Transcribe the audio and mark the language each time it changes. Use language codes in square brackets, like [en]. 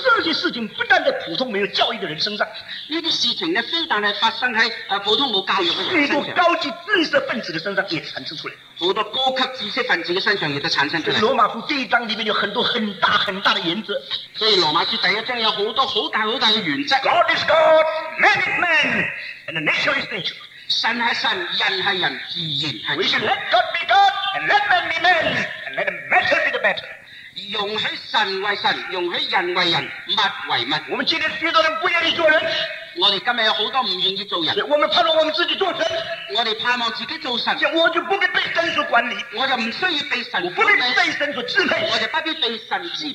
[zh] 这些事情不但在普通没有教育的人身上，这些事情非但发生在普通没教育的人身上，许多高级知识分子的身上也产生出来，很多高级知识分子的身上也都产生出来。罗马书第一章里面有很多很大很大的原则，所以罗马书第一章有很多很大很大的原则。 [en] God is God, man is man, and the nature is nature. [zh] 神是神，人是人，自然是自然。 [en] We should let God be God, and let man be man, and let the matter be the matter. [zh] 容许神为神，容许人为人，物为物。我们今天许多人不愿意做人，我们今天有很多不愿意做人，我们盼望我们自己做神，我们盼望自己做神，我就不必被神所管理，我就不需要被神，我不必被神所支配，我就不必被神支配，